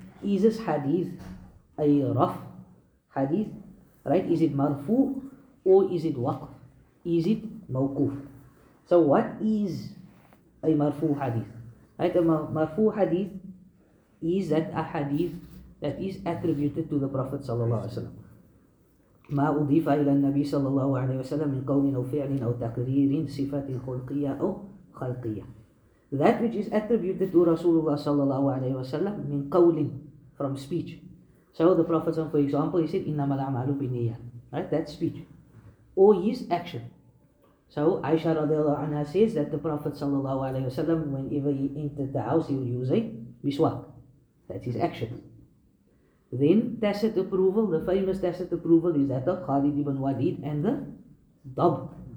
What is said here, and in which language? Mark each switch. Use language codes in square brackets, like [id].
[en] Is this hadith a raf hadith, right? Is it مرفوع or is it waqf? Is it mawquf? So what is a marfu hadith? Right, a marfu hadith is that a hadith that is attributed to the Prophet sallallahu alaihi wasallam. [ar] ما أضيف إلى النبي صلى الله عليه وسلم من قول أو فعل أو تقرير صفة خلقية أو خلقية. [en] That which is attributed to Rasulullah صلى الله عليه وسلم [ar] من قول, [en] from speech. So the Prophet, for example, he said [ar] إنما الأعمال بالنية. [en] Right, that's speech. Or his action. So Aisha radiallahu anha says that the Prophet sallallahu alayhi wa sallam, whenever he entered the house, he would use a miswak. That's his action. Then tacit approval, the famous tacit approval is that of Khalid ibn Walid and the Dab.